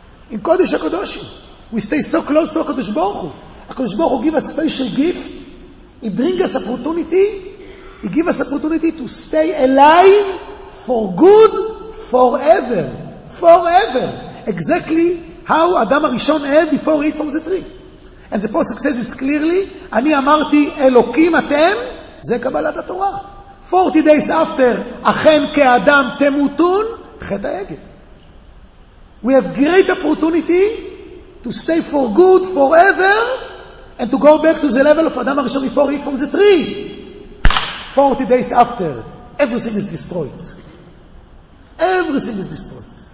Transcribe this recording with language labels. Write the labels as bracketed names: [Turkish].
[English] In Kodesh HaKodoshim. We stay so close to HaKadosh Baruch Hu. HaKadosh Baruch Hu give us a special gift. He bring us opportunity. He give us opportunity to stay alive for good forever. Forever. Exactly how Adam HaRishon had before he ate from the tree. And the post says this clearly, [Hebrew] אני אמרתי, אלוקים אתם, זה קבלת התורה. [English] 40 days after, [Hebrew] אכן כאדם תמותון, חטא העגל. [English] We have great opportunity to stay for good forever and to go back to the level of Adam HaRishon before he ate from the tree. 40 days after, everything is destroyed. Everything is destroyed.